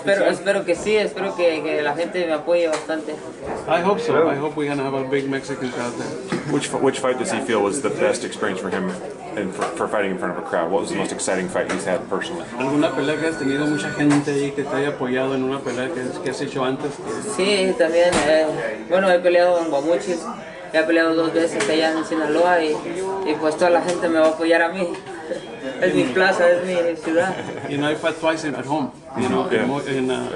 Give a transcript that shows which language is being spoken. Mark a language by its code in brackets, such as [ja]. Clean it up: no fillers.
[es] Espero que sí, espero que la gente me apoye bastante. [en] I hope so. Yeah. I hope we're going to have a big Mexican crowd there. Which fight does he feel was the best experience for him and for fighting in front of a crowd? What was the most exciting fight he's had personally? [es] ¿Alguna pelea que has tenido mucha gente ahí que te haya apoyado en una pelea que has hecho antes? Sí, también. Bueno, he peleado en Guamuchil. He peleado dos veces allá en Sinaloa y pues toda la gente me va a apoyar a mí. Es mi plaza, es mi ciudad. [en] You know, I fought twice at home, you know, in